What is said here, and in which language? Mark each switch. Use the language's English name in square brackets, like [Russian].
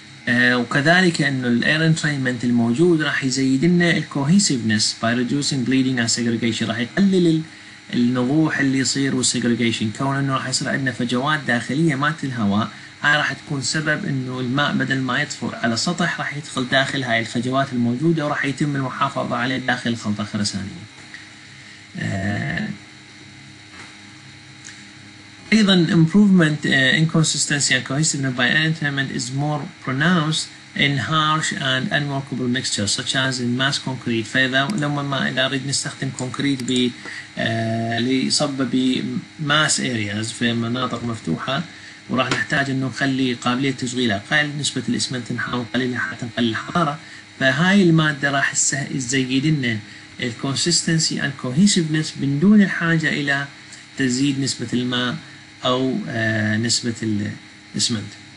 [Arabic] وكذلك انه الاير انترينمنت الموجود راح يزيد لنا الكوهيسيفنس [English] by reducing bleeding and segregation, [Arabic] راح يقلل النضوح اللي يصير والسيجريجيشن، كون انه راح يصير عندنا فجوات داخليه مات الهواء، هاي راح تكون سبب انه الماء بدل ما يطفو على سطح راح يدخل داخل هاي الفجوات الموجوده وراح يتم المحافظه عليه داخل الخلطه الخرسانيه. [English] ايضا improvement inconsistency and cohesiveness by entrainment is more pronounced in harsh and unworkable mixtures such as in mass concrete. [Arabic] فاذا لما ما اذا اريد نستخدم كونكريت ب لصب ب mass areas في مناطق مفتوحه وراح نحتاج انه نخلي قابليه تشغيل اقل، نسبه الاسمنت نحاول نقللها حتى نقلل الحراره، فهاي الماده راح تزيد لنا الكونسستنسي اند كوهيسيفنس من دون الحاجه الى تزيد نسبه الماء او نسبه الاسمنت.